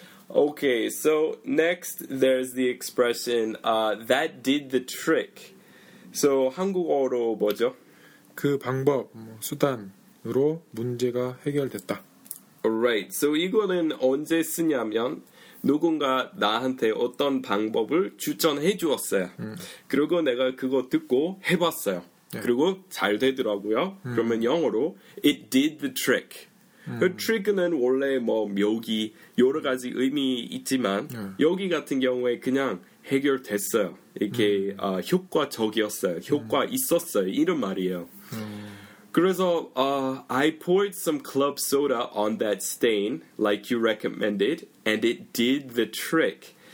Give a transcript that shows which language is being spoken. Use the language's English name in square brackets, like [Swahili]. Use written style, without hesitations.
[English] Okay, so next there's the expression that did the trick. [Korean] So 한국어로 뭐죠? 그 방법, 뭐, 수단으로 문제가 해결됐다. Alright, so 이거는 언제 쓰냐면 누군가 나한테 어떤 방법을 추천해 주었어요. 그리고 내가 그거 듣고 해봤어요. 네. 그리고 잘 되더라고요. 그러면 영어로 [English] It did the trick. [Korean] 그 trick는 원래 뭐 묘기, 여러 가지 의미 있지만 여기 같은 경우에 그냥 해결됐어요. 이렇게 효과적이었어요. 효과 있었어요. 이런 말이에요. [English] 그래서 I poured some club soda on that stain like you recommended and it did the trick.